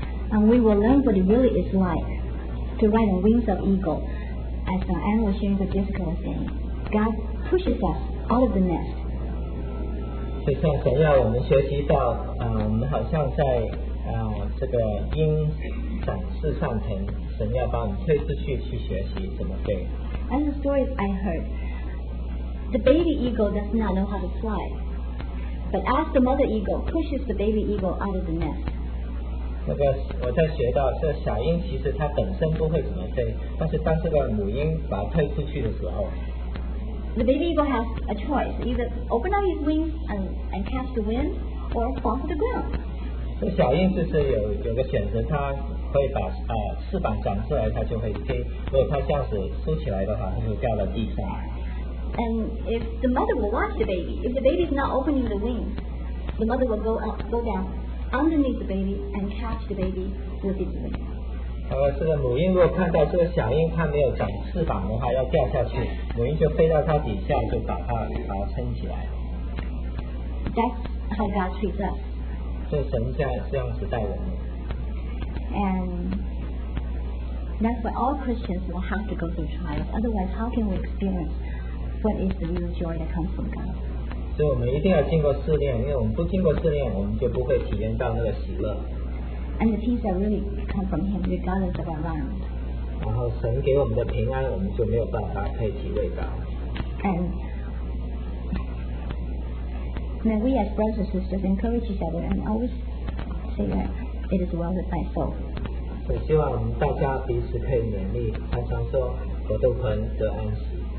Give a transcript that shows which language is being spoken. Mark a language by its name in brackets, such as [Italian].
[English] And we will learn what it really is like to ride on wings of eagle, as the animal was sharing with Jessica was saying. God pushes us out of the nest. [Chinese] 就像神要我们学习到，我们好像在。这个鹰展翅上腾，神要把我们推出去去学习怎么飞。 [English] And the story I heard, the baby eagle does not know how to fly, but as the mother eagle pushes the baby eagle out of the nest. [Chinese] 我在学到，这小鹰其实它本身不会怎么飞，但是当这个母鹰把它推出去的时候。 [English] The baby eagle has a choice, either open up his wings and catch the wind, or fall to the ground. [Chinese] 这小鹰就是有个选择，它会把翅膀展出来，它就会飞。如果它这样子收起来的话，它就掉到地上。 [English] And if the mother will watch the baby, if the baby is not opening the wings, the mother will go down underneath the baby and catch the baby with its wings. [Chinese] 然后这个母婴如果看到这个小婴它没有长翅膀的话，要掉下去，母婴就飞到它底下，就把它撑起来。 [English] That's how God treats us. [Chinese] 就神这样子待我们。 [English] And that's why all Christians will have to go through trials. Otherwise, how can we experience what is the real joy that comes from God? [Chinese] 所以我们一定要经过试炼，因为我们不经过试炼，我们就不会体验到那个喜乐。 [English] And the peace that really comes from Him, regardless of our environment. [Chinese] 然后神给我们的平安，我们就没有办法可以体会到。 [English] And may we as brothers and sisters encourage each other and always say that it is well with my soul. [Chinese] 我希望我们大家彼此可以勉励，常常说我都很得安息。